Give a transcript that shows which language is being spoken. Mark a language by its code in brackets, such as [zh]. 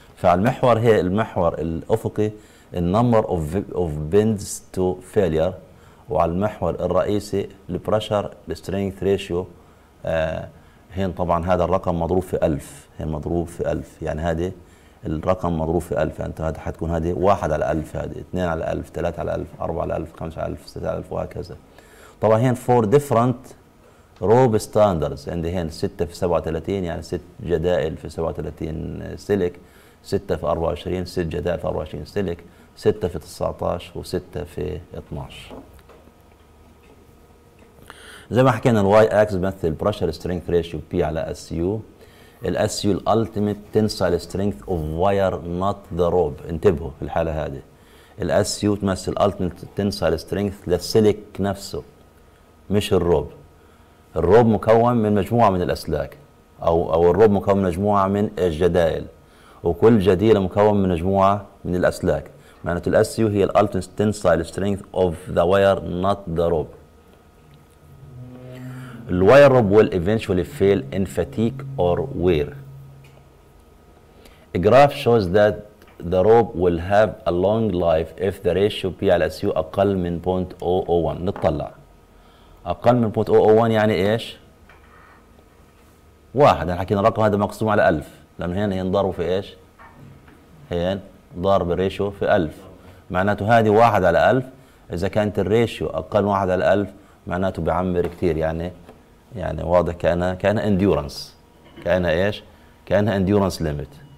[ar] فالمحور هي المحور الأفقي [en] number of bends to failure، [ar] وعلى المحور الرئيسي [en] pressure strength ratio. [ar] هين طبعا هذا الرقم مضروب في 1000، هين مضروب في 1000، يعني هذه الرقم مضروب في 1000، انت هذا حتكون هذه 1 على 1000، هذه 2 على 1000، 3 على 1000، 4 على 1000، 5 على 1000، 6 على 1000 وهكذا. طبعا هنا [en] four different rope standards, [ar] عندي هنا 6 في 37 يعني 6 جدائل في 37 سلك، 6 في 24 6 جدائل في 24 سلك، 6 في 19 و6 في 12. زي ما حكينا الواي اكس بيمثل بريشر سترينث ريشيو بي على اس يو. [en] الاس يو الالتيميت tensile strength of wire not the rope, [ar] انتبهوا في الحاله هذه. الاس يو تمثل [en] الالتيميت tensile strength [ar] للسلك نفسه مش الروب. الروب مكون من مجموعه من الاسلاك، او الروب مكون من مجموعه من الجدائل، وكل جديله مكون من مجموعه من الاسلاك. معناته [en] الاس يو هي الالتيميت tensile strength of the wire not the rope. الواير rope will eventually fail in fatigue or wear. A graph shows that the rope will have a long life if the ratio P على SU [ar] أقل من [en] 0.001. [ar] نطلع أقل من 0.001 يعني إيش؟ واحد. أنا حكينا الرقم هذا مقسوم على 1000، لأنه هنا ينضرب في إيش؟ هنا ضرب الريشيو في 1000، معناته هذه 1 على 1000. إذا كانت الريشيو أقل من 1 على 1000 معناته بعمر كتير، يعني واضح كأنها انديورنس، كأنها إيش؟ كأنها انديورنس ليميت.